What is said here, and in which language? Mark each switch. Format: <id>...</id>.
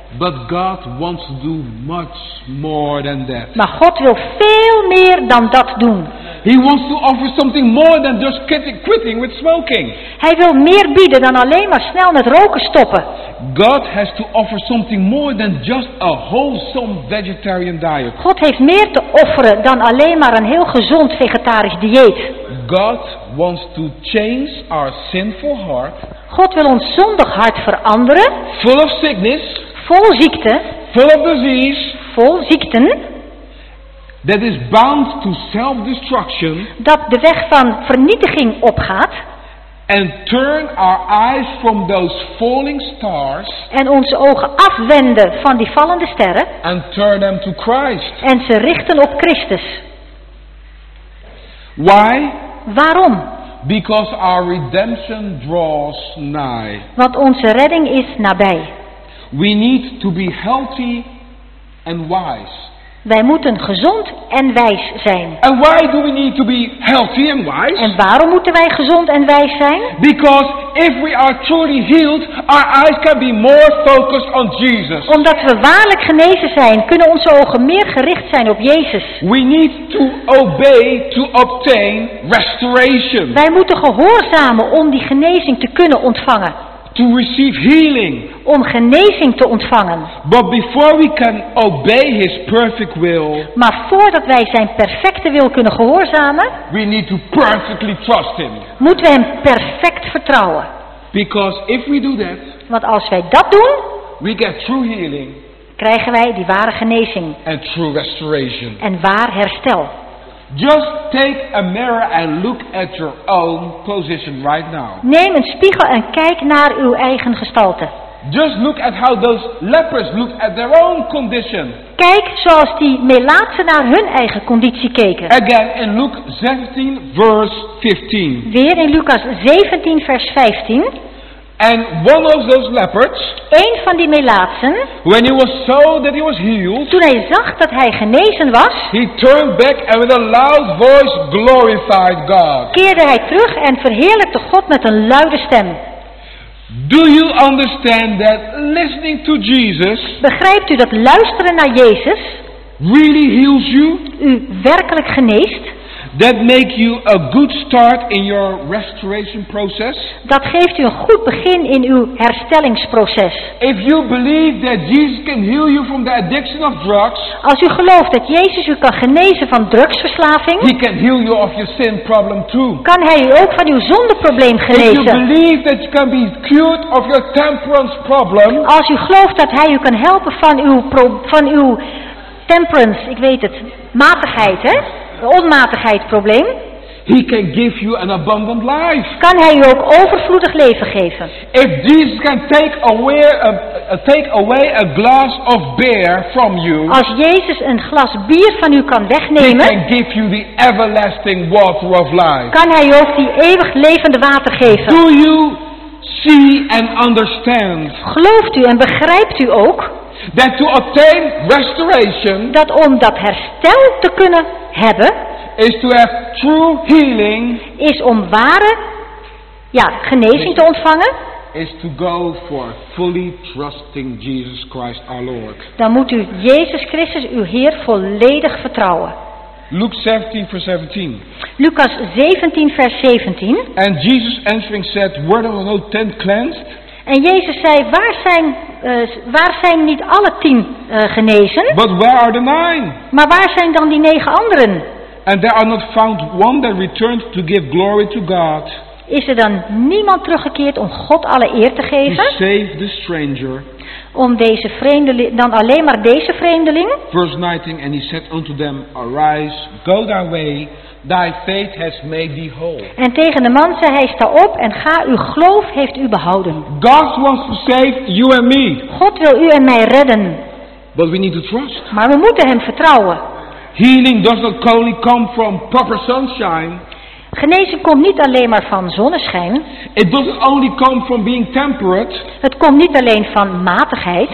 <en>But God wants to do much more than that.</en> <nl>Maar God wil veel meer dan dat doen.</nl> <en>He wants to offer something more than just quitting with smoking.</en> <nl>Hij wil meer bieden dan alleen maar snel met roken stoppen.</nl> <en>God has to offer something more than just a wholesome vegetarian diet.</en> <nl>God heeft meer te offeren dan alleen maar een heel gezond vegetarisch dieet.</nl> <en>God wants to change our sinful heart.</en> <nl>God wil ons zondig hart veranderen.</nl> <en>Full of sickness.</en> <nl>Vol ziekte.</nl> <en>Full of disease.</en> <nl>Vol ziekten.</nl> <en>That is bound to self-destruction.</en> <nl>Dat de weg van vernietiging opgaat.</nl> <en>And turn our eyes from those falling stars.</en> <nl>En onze ogen afwenden van die vallende sterren.</nl> <en>And turn them to Christ.</en> <nl>En ze richten op Christus.</nl> <en>Why?</en> <nl>Waarom?</nl> <en>Because our redemption draws nigh.</en> <nl>Want onze redding is nabij.</nl> <en>We need to be healthy and wise.</en> <nl>Wij moeten gezond en wijs zijn.</nl> <en>And why do we need to be healthy and wise?</en> <nl>En waarom moeten wij gezond en wijs zijn?</nl> <en>Because if we are truly healed, our eyes can be more focused on Jesus.</en> <nl>Omdat we waarlijk genezen zijn, kunnen onze ogen meer gericht zijn op Jezus.</nl> <en>We need to obey to obtain restoration.</en> <nl>Wij moeten gehoorzamen om die genezing te kunnen ontvangen.</nl> <en>To receive healing.</en> <nl>Om genezing te ontvangen.</nl> <en>But before we can obey his perfect will.</en> <nl>Maar voordat wij zijn perfecte wil kunnen gehoorzamen.</nl> <en>We need to perfectly trust him.</en> <nl>Moeten we hem perfect vertrouwen.</nl> <en>Because if we do that.</en> <nl>Want als wij dat doen.</nl> <en>We get true healing.</en> <nl>Krijgen wij die ware genezing.</nl> <en>And true restoration.</en> <nl>En waar herstel.</nl> <en>Just take a mirror and look at your own position right now.</en> <nl>Neem een spiegel en kijk naar uw eigen gestalte.</nl> <en>Just look at how those lepers look at their own condition.</en> <nl>Kijk zoals die melaatsen naar hun eigen conditie keken.</nl> <en>Again in Luke 17 verse 15.</en> <nl>Weer in Lucas 17 vers 15.</nl> <en>And one of those lepers.</en> <nl>Eén van die melaatsen.</nl> <en>When he was so that he was healed,</en> <nl>toen hij zag dat hij genezen was.</nl> <en>He turned back and with a loud voice glorified God.</en> <nl>Keerde hij terug en verheerlijkte God met een luide stem.</nl> <en>Do you understand that listening to Jesus?</en> <nl>Begrijpt u dat luisteren naar Jezus?</nl> <en>Really heals you?</en> <nl>U werkelijk geneest?</nl> <en>That make you a good start in your restoration process.</en> <nl>Dat geeft u een goed begin in uw herstellingsproces.</nl> <en>If you believe that Jesus can heal you from the addiction of drugs.</en> <nl>Als u gelooft dat Jezus u kan genezen van drugsverslaving.</nl> <en>He can heal you of your sin problem too.</en> <nl>Kan hij u ook van uw zondeprobleem genezen?</nl> <en>If you believe that you can be cured of your temperance problem.</en> <nl>Als u gelooft dat hij u kan helpen van uw temperance, ik weet het, matigheid, hè? Onmatigheid probleem.</nl> <en>He can give you an abundant life.</en> <nl>Kan hij u ook overvloedig leven geven?</nl> <en>If Jesus can take away a glass of beer from you.</en> <nl>Als Jezus een glas bier van u kan wegnemen.</nl> <en>He can give you the everlasting water of life.</en> <nl>Kan hij u ook die eeuwig levende water geven?</nl> <en>Do you see and understand?</en> <nl>Gelooft u en begrijpt u ook?</nl> <en>That to obtain restoration,</en> <nl>dat om dat herstel te kunnen hebben,</nl> <en>is to have true healing,</en> <nl>is om ware genezing te ontvangen,</nl> <en>is to go for fully trusting Jesus Christ our Lord.</en> <nl>Dan moet u Jezus Christus uw Heer volledig vertrouwen.</nl> <en>Luke 17 verse 17.</en> <nl>Lucas 17 vers 17.</nl> <en>And Jesus answering said, were there no 10 cleansed?</en> <nl>En Jezus zei, waar zijn niet alle 10 genezen?</nl> <en>But where are the 9?</en> <nl>Maar waar zijn dan die 9 anderen?</nl> <en>And there are not found one that returned to give glory to God.</en> <nl>Is er dan niemand teruggekeerd om God alle eer te geven?</nl> <en>To save the stranger.</en> <nl>Om deze vreemdeling, dan alleen maar deze vreemdeling.</nl> <en>Verse 19, and he said unto them, arise, go thy way. Thy faith has made thee whole.</en> <nl>En tegen de man zei hij, sta op en ga, uw geloof heeft u behouden.</nl> <en>God wants to save you and me.</en> <nl>God wil u en mij redden.</nl> <en>But we need to trust.</en> <nl>Maar we moeten hem vertrouwen.</nl> <en>Healing does not only come from proper sunshine.</en> <nl>Genezing komt niet alleen maar van zonneschijn.</nl> <en>It doesn't only come from being temperate.</en> <nl>Het komt niet alleen van matigheid.</nl>